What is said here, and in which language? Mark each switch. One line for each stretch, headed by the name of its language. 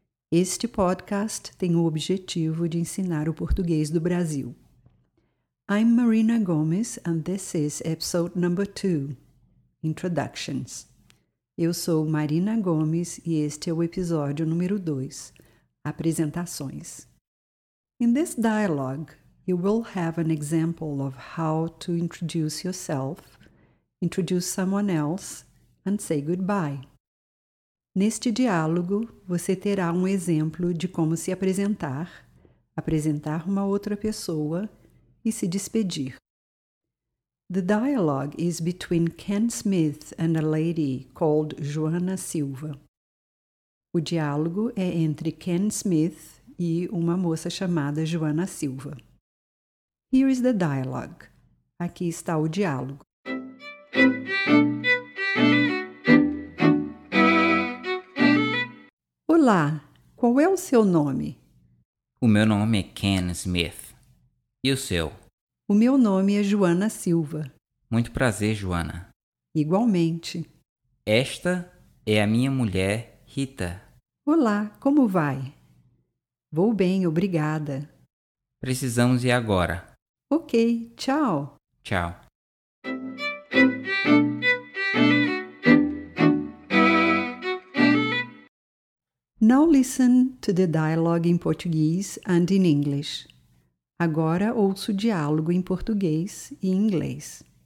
Portuguese: Este podcast tem o objetivo de ensinar o português do Brasil.
English: I'm Marina Gomes and this is episode number 2, Introductions.
Portuguese: Eu sou Marina Gomes e este é o episódio número 2, Apresentações.
English: In this dialogue, you will have an example of how to introduce yourself, introduce someone else, and say goodbye.
Portuguese: Neste diálogo, você terá um exemplo de como se apresentar, apresentar uma outra pessoa e se despedir.
English: The dialogue is between Ken Smith and a lady called Joana Silva.
Portuguese: O diálogo é entre Ken Smith e uma moça chamada Joana Silva.
English: Here is the dialogue.
Portuguese: Aqui está o diálogo. Olá, qual é o seu nome? O meu nome é Ken Smith. E o seu? O meu nome é Joana Silva. Muito prazer, Joana. Igualmente. Esta é a minha mulher, Rita. Olá, como vai? Vou bem, obrigada. Precisamos ir agora. Ok, tchau. Tchau.
English: Now listen to the dialogue in Portuguese and in English.
Portuguese: Agora ouço o diálogo em português e inglês.